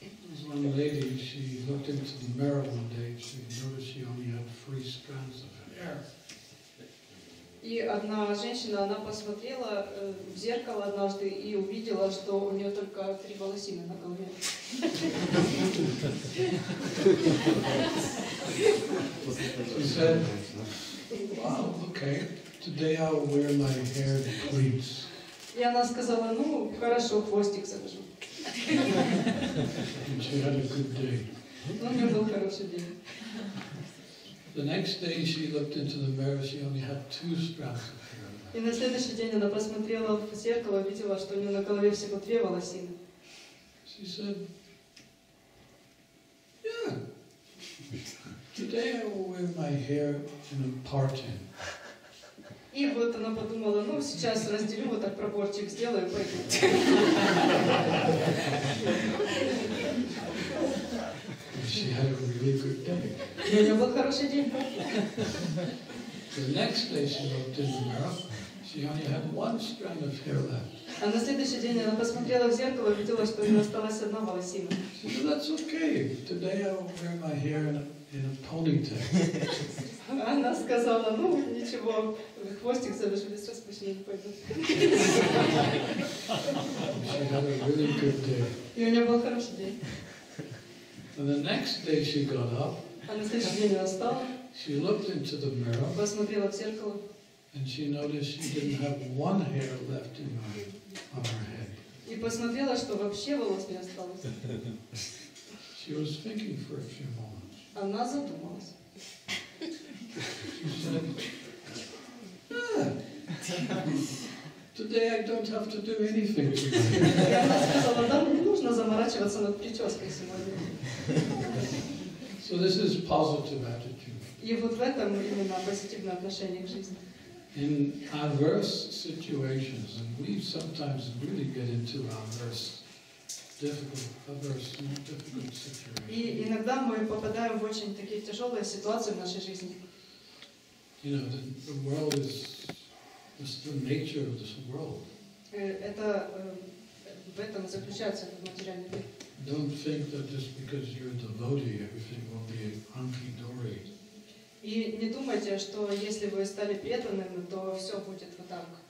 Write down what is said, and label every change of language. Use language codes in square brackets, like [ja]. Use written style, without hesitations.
[en] was one lady, she looked into the mirror one day and she noticed she only had 3 strands of hair. [ru] И одна женщина, она посмотрела в зеркало однажды и увидела, что у нее только 3 волосины на голове. [en] She said, "Wow, okay. Today I'll wear my hair to greets." [ru] И она сказала, ну хорошо, хвостик завяжу. [en] And she had a good day. [ru] Ну, у нее был хороший день. [en] The next day she looked into the mirror, she only had 2 strands of hair. [ru] И на следующий день она посмотрела в зеркало, видела, что у нее на голове всего 2 волосины. [en] She said, "Today I will wear my hair in a parting." [ru] И вот она подумала, ну сейчас разделю вот так проборчик сделаю, пойду. [en] She had a really good day. [ru] У нее был хороший день. [en] The next day she looked in the mirror, she only had 1 strand of hair left. [ru] А на следующий день она посмотрела в зеркало и видела, что у нее осталась 1 волосина. [en] She said, "That's okay. Today I will wear my hair in a ponytail." [ru] Она сказала, ну ничего, хвостик завяжу, без распущения пойду. [en] She had a really good day. [ru] И у нее был хороший день. [en] And the next day she got up. [ru] А на следующий день она встала. [en] She looked into the mirror. [ru] Посмотрела в зеркало. [en] And she noticed she didn't have 1 hair left in her on her head. [ru] И посмотрела, что вообще волос не осталось. [en] She was thinking for a few moments. [ru] Она задумалась. [en] Today I don't have to do anything. [ru] Я сказала, да, не нужно заморачиваться над прической сегодня. [en] So this is positive attitude. [ru] И вот в этом именно позитивное отношение к жизни. [en] In adverse situations, and we sometimes really get into adverse, difficult situations. [ru] И иногда мы попадаем в очень такие тяжелые ситуации в нашей жизни. [en] You know, the world is just the nature of this world. [ru] Это в этом заключается в материальном мире. [en] Don't think that just because you're a devotee, everything will be hunky-dory. [ru] И не думайте, что если вы стали преданным, то все будет вот так.